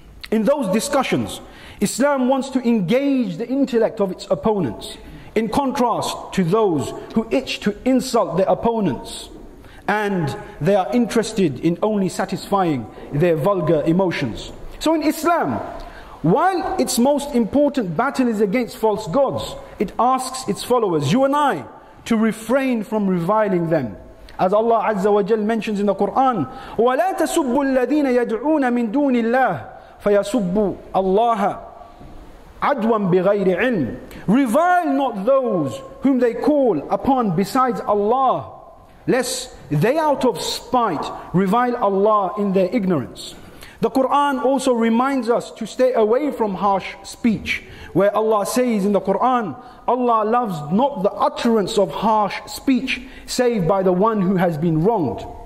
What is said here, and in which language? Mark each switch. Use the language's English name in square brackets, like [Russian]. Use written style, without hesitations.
[English] In those discussions, Islam wants to engage the intellect of its opponents, in contrast to those who itch to insult their opponents, and they are interested in only satisfying their vulgar emotions. So in Islam, while its most important battle is against false gods, it asks its followers, you and I, to refrain from reviling them. As Allah Azza wa Jal mentions in the Quran, [Arabic] وَلَا تَسُبُّوا الَّذِينَ يَدْعُونَ مِن دُونِ اللَّهِ فَيَسُبُّوا اللَّهَ عَدْوًا بِغَيْرِ عِلْمٍ. [English] Revile not those whom they call upon besides Allah, lest they out of spite revile Allah in their ignorance. The Quran also reminds us to stay away from harsh speech, where Allah says in the Quran, Allah loves not the utterance of harsh speech save by the one who has been wronged.